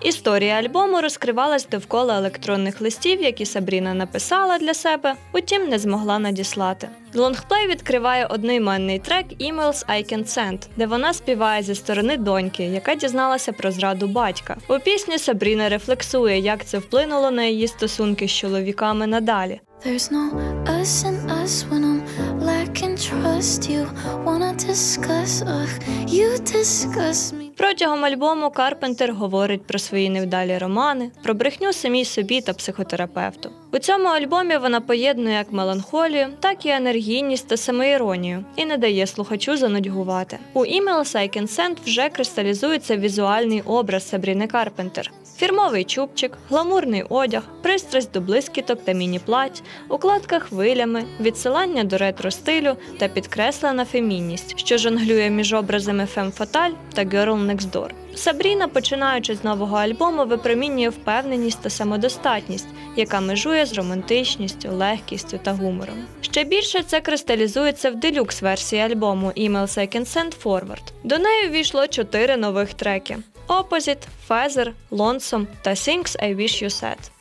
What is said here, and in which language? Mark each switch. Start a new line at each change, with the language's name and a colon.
Ukrainian: Історія альбому розкривалась довкола електронних листів, які Сабріна написала для себе, утім не змогла надіслати. Лонгплей відкриває одноіменний трек «Emails I Can Send», де вона співає зі сторони доньки, яка дізналася про зраду батька. У пісні Сабріна рефлексує, як це вплинуло на її стосунки з чоловіками надалі.
English: There's no us in us when I'm lacking trust. You wanna discuss, ugh, you discuss me.
Ukrainian: Протягом альбому Карпентер говорить про свої невдалі романи, про брехню самій собі та психотерапевту. У цьому альбомі вона поєднує як меланхолію, так і енергійність та самоіронію, і не дає слухачу занудьгувати. У «Emails I Can Send» вже кристалізується візуальний образ Сабріни Карпентер. Фірмовий чубчик, гламурний одяг, пристрасть до блискіток та міні-плать, укладка хвилями, відсилання до ретро-стилю та підкреслена фемінність, що жонглює між образами фем-фаталь та
English: girl next door.
Ukrainian: Сабріна, починаючи з нового альбому, випромінює впевненість та самодостатність, яка межує з романтичністю, легкістю та гумором. Ще більше це кристалізується в делюкс-версії альбому «Emails I Can Send Forward». До неї ввійшло 4 нових треки – «Opposite», «Feather», «Lonesome» та «Things I Wish You Said».